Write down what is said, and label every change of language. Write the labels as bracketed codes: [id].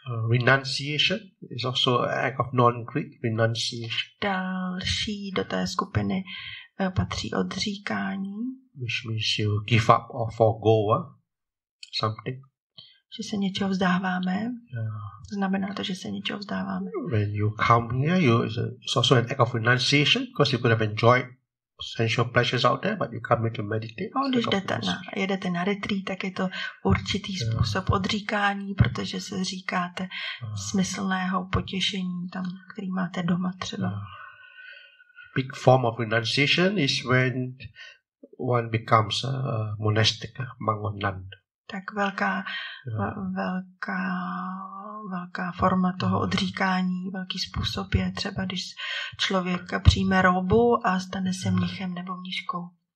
[en] Renunciation is also an act of non-greed, renunciation. [cs] Další do té skupiny patří odříkání. [en] Which means you give up or forgo something. [cs] Že se něčeho vzdáváme. Znamená to, že se něčeho vzdáváme. [en] When you come here, it's also an act of renunciation because you could have enjoyed sensual pleasures out there, but you come here to meditate. [cs] No, když jedete na retreat, tak je to určitý způsob odříkání, protože se říkáte smyslného potěšení tam, který máte doma třeba. [en] Big form of renunciation is when one becomes a monastic, a monk or nun. [cs] Tak velká, velká, velká forma toho odříkání, velký způsob je třeba, když člověk přijme robu a stane se mnichem nebo mniškou.